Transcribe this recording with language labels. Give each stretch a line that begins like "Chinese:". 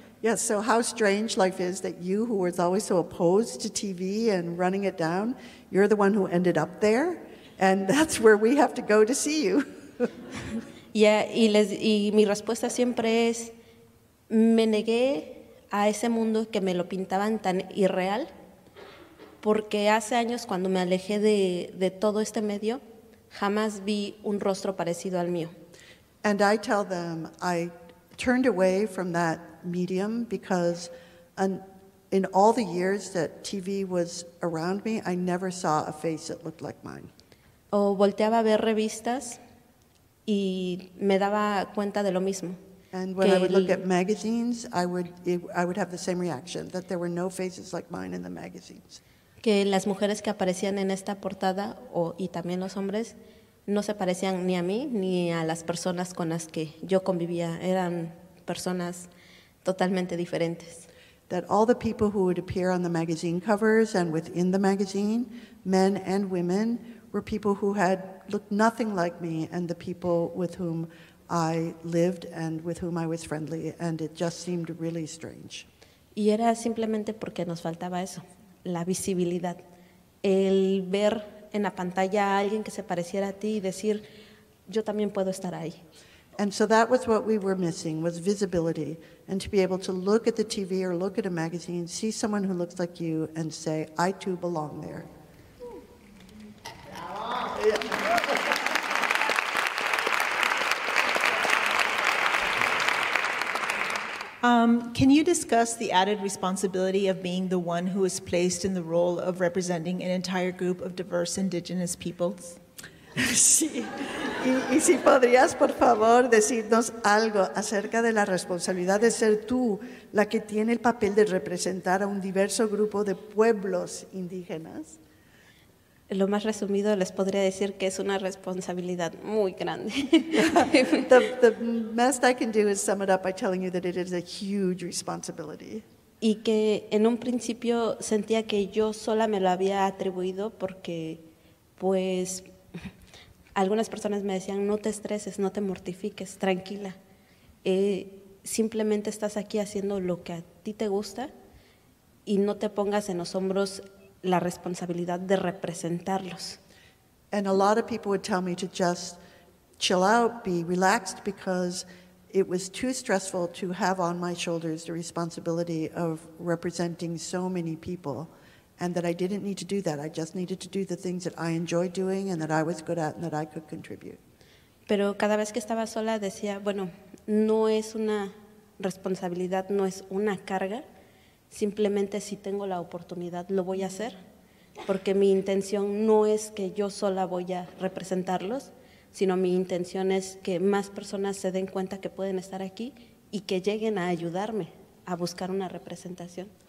English: Yes, so how strange life is that you, who was always so opposed to TV and running it down, you're the one who ended up there, and that's where we have to go to see you.
Spanish: Y mi respuesta siempre es, me negué a ese mundo que me lo pintaban tan irreal, porque hace años cuando me alejé de todo este medio, jamás vi un rostro parecido al mío.
English: And I tell them I turned away from that medium because in all the years that TV was around me, I never saw a face that looked like mine.
Spanish: O volteaba a ver revistas y me daba cuenta de lo mismo.
English: And when I would look at magazines, I would have the same reaction, that there were no faces like mine in the magazines.
Spanish: Que las mujeres que aparecían en esta portada, y también los hombres, no se parecían ni a mí ni a las personas con las que yo convivía. Eran personas totalmente diferentes.
English: That all the people who would appear on the magazine covers and within the magazine, men and women, were people who had looked nothing like me and the people with whom I lived and with whom I was friendly, and it just seemed really strange.
Spanish: Y era simplemente porque nos faltaba eso, la visibilidad. El ver en la pantalla a alguien que se pareciera a ti y decir, yo también puedo estar ahí.
English: And so that was what we were missing, was visibility, and to be able to look at the TV or look at a magazine, see someone who looks like you and say, I too belong there. Can you discuss the added responsibility of being the one who is placed in the role of representing an entire group of diverse indigenous peoples?
Spanish: Sí. Y si podrías, por favor, decirnos algo acerca de la responsabilidad de ser tú la que tiene el papel de representar a un diverso grupo de pueblos indígenas. Lo más resumido les podría decir que es una responsabilidad muy grande.
English: The best I can do is sum it up by telling you that it is a huge responsibility.
Spanish: Y que en un principio sentía que yo sola me lo había atribuido porque, pues, algunas personas me decían, no te estreses, no te mortifiques, tranquila. Simplemente estás aquí haciendo lo que a ti te gusta y no te pongas en los hombros la responsabilidad de representarlos.
English: And a lot of people would tell me to just chill out, be relaxed, because it was too stressful to have on my shoulders the responsibility of representing so many people, and that I didn't need to do that. I just needed to do the things that I enjoyed doing and that I was good at and that I could contribute.
Spanish: Pero cada vez que estaba sola decía, bueno, no es una responsabilidad, no es una carga. Simplemente si tengo la oportunidad lo voy a hacer, porque mi intención no es que yo sola voy a representarlos, sino mi intención es que más personas se den cuenta que pueden estar aquí y que lleguen a ayudarme a buscar una representación.